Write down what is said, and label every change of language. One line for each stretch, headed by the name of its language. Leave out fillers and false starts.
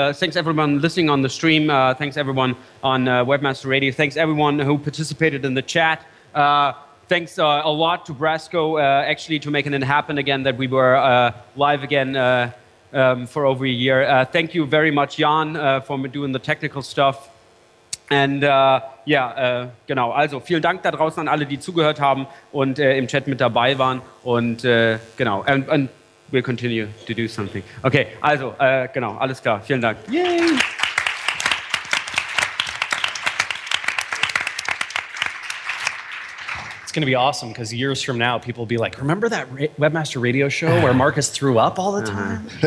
English: Thanks everyone listening on the stream. Thanks everyone on Webmaster Radio. Thanks everyone who participated in the chat. Thanks a lot to Brasco actually to making it happen again that we were live again. For over a year. Thank you very much, Jan, for doing the technical stuff. And
German: genau. Also, vielen Dank da draußen an alle, die zugehört haben und im Chat mit dabei waren. Und genau.
English: And we'll continue to do something.
German: Okay, also, genau. Alles klar. Vielen Dank. Yay!
English: Going to be awesome because years from now people will be like, remember that Webmaster Radio show where Marcus threw up all the time?